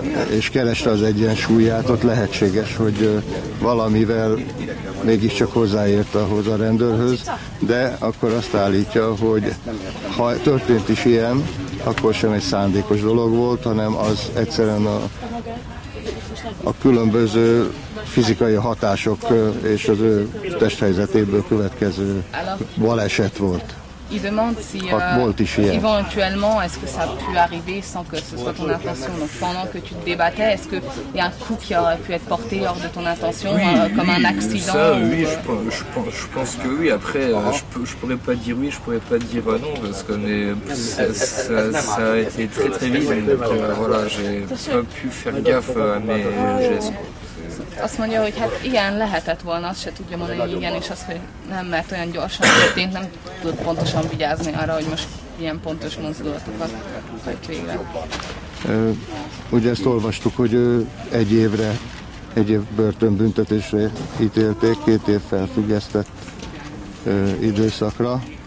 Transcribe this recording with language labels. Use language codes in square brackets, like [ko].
[hu] és kereste az egyensúlyát, ott lehetséges, hogy valamivel mégiscsak hozzáért ahhoz a rendőrhöz, de akkor azt állítja, hogy ha történt is ilyen, akkor sem egy szándékos dolog volt, hanem az egyszerűen a különböző fizikai hatások és az ő testhelyzetéből következő baleset volt. [fr] il demande si éventuellement est-ce que ça a pu arriver sans que ce soit ton intention. Donc pendant que tu te débattais, est-ce qu'il y a un coup qui aurait pu être porté lors de ton intention, oui, comme un accident? Ça, oui, je pense que oui. Après, je pourrais pas dire oui, je pourrais pas dire non, parce que ça a été très très vite. Donc voilà, j'ai pas pu faire gaffe à mes gestes. [hu] Azt mondja, hogy hát igen, lehetett volna, azt se tudja mondani, hogy igen, és az, hogy nem, mert olyan gyorsan történt, nem tud pontosan vigyázni arra, hogy most ilyen pontos mozdulatokat hagyt végre. Ugye ezt olvastuk, hogy egy évre, egy év börtönbüntetésre ítélték, két év felfüggesztett időszakra.